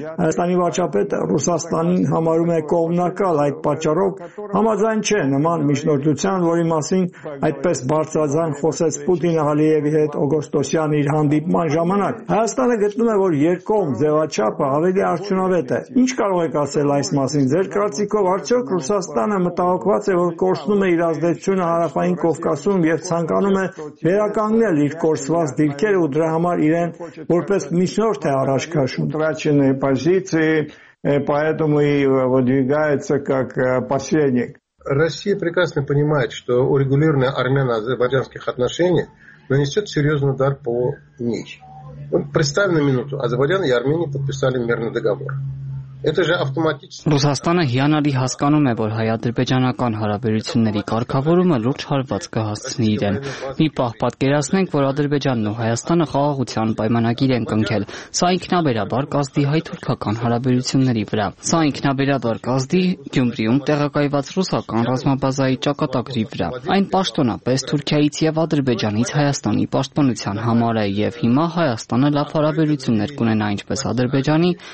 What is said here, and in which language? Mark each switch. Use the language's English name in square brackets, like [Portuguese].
[Armenian] Հայաստանի վարչապետը Ռուսաստանին համարում է կողմնակալ, այդ պատճառով համաձայն չէ նման միջնորդության, որի մասին այդպես բարձրաձայն խոսեց Պուտինը Ալիևի հետ օգոստոսյան իր հանդիպման ժամանակ։ Հայաստանը գտնում է, որ երկկողմ ձևաչափը ավելի արդյունավետ է։ Ինչ կարող եք ասել այս մասին, ձեր կարծիքով արդյոք Ռուսաստանը մտահոգված է, որ կորցնում է իր ազդեցությունը Հարավային Կովկասում և ցանկանում է վերականգնել իր կորցված դիրքերը ու դրա համար իրեն որպես միջնորդ է առաջ քաշում։ [Russian] Поэтому и выдвигается как посредник. Россия прекрасно понимает, что урегулирование армяно-азербайджанских отношений нанесет серьезный удар по ней. Представь на минуту, Азербайджан и Армения подписали мирный договор. [Armenian] Ռուսաստանը հիանալի հասկանում է, որ հայ-ադրբեջանական հարաբերությունների կարգավորումը լուրջ հարված կհասցնի իրեն։ Մի պահ պատկերացնենք, որ Ադրբեջանն ու Հայաստանը խաղաղության պայմանագիր են կնքել։ Սա ինքնաբերաբար կազդի հայ-թուրքական հարաբերությունների վրա։ Սա ինքնաբերաբար կազդի Գյումրիում տեղակայված ռուսական ռազմաբազայի ճակատագրի վրա։ Այն պաշտոնապես Թուրքիայից և Ադրբեջանից Հայաստանի պաշտպանության համար է, և հիմա Հայաստանը լավ հարաբերություններ կունենա ինչպես Ադրբեջանի,